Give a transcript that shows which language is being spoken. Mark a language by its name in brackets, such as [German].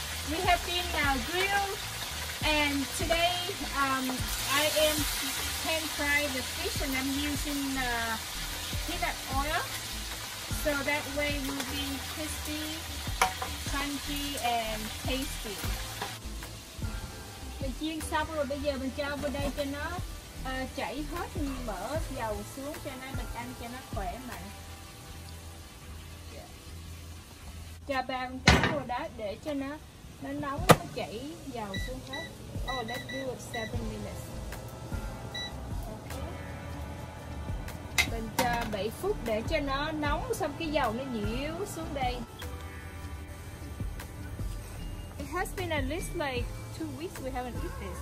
[English] We have been grilled, and today I am pan frying the fish, and I'm using peanut oil, so that way it will be crispy, crunchy, and tasty. [Vietnamese] Mình chiên xong rồi, bây giờ mình cho vào đây cho nó chảy hết mỡ dầu xuống cho nó mình ăn cho nó khỏe mạnh. Cho ba con cá vào đó để cho nó nóng, nó chảy dầu xuống hết. [English] Oh, let's do it 7 minutes. [Vietnamese] Okay. Mình cho 7 phút để cho nó nóng xong cái dầu nó nhiễu xuống đây. [English] It has been at least like 2 weeks we haven't eaten this.